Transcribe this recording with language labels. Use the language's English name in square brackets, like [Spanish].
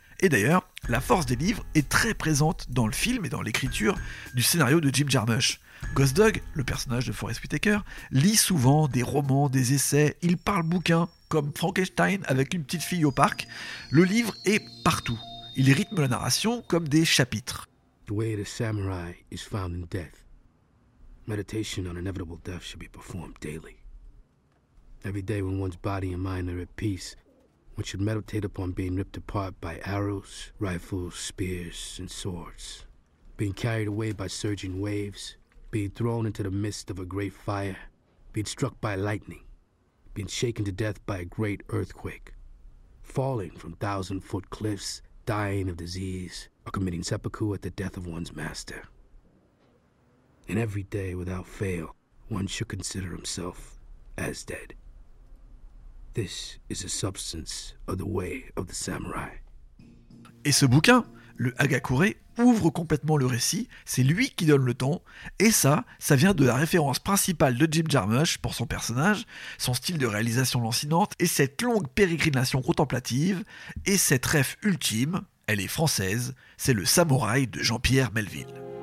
[French] Et d'ailleurs, la force des livres est très présente dans le film et dans l'écriture du scénario de Jim Jarmusch. Ghost Dog, le personnage de Forest Whitaker, lit souvent des romans, des essais, il parle bouquins, comme Frankenstein avec une petite fille au parc. Le livre est partout. Il rythme la narration comme des chapitres. [English] The way of the samurai is found in death. Meditation on inevitable death should be performed daily. Every day when one's body and mind are at peace, one should meditate upon being ripped apart by arrows, rifles, spears, and swords. Being carried away by surging waves, being thrown into the midst of a great fire, being struck by lightning, being shaken to death by a great earthquake, falling from thousand-foot cliffs, dying of disease, or committing seppuku at the death of one's master. And every day, without fail, one should consider himself as dead. This is the substance of the way of the samurai. [French] Et ce bouquin, le Hagakure, ouvre complètement le récit, c'est lui qui donne le ton, et ça, ça vient de la référence principale de Jim Jarmusch pour son personnage, son style de réalisation lancinante, et cette longue pérégrination contemplative, et cette ref ultime, elle est française, c'est le samouraï de Jean-Pierre Melville.